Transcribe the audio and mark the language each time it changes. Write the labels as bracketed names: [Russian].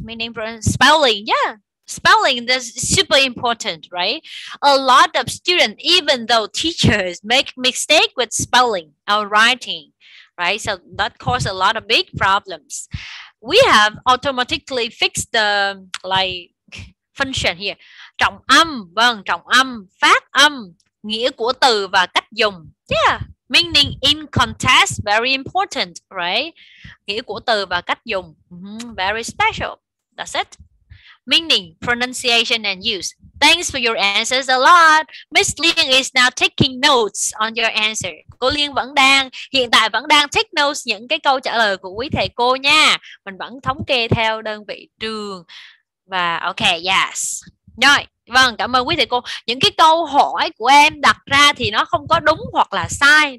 [English] Meaning spelling. Yeah. Spelling is super important, right? A lot of students, even though teachers, make mistake with spelling or writing, right? So that causes a lot of big problems. We have automatically fixed the like function here. [Vietnamese] Trọng âm, vâng, trọng âm, phát âm, nghĩa của từ và cách dùng. [English] Yeah, meaning in context, very important, right? [Vietnamese] Nghĩa của từ và cách dùng, [English] very special. That's it. Meaning, pronunciation, and use. Thanks for your answers a lot. Miss Liên is now taking notes on your answer. [Vietnamese] Cô Liên vẫn đang, hiện tại vẫn đang [English] take notes [Vietnamese] những cái câu trả lời của quý thầy cô nha. Mình vẫn thống kê theo đơn vị trường. Và [English] ok, yes. [Vietnamese] Rồi, vâng, cảm ơn quý thầy cô. Những cái câu hỏi của em đặt ra thì nó không có đúng hoặc là sai.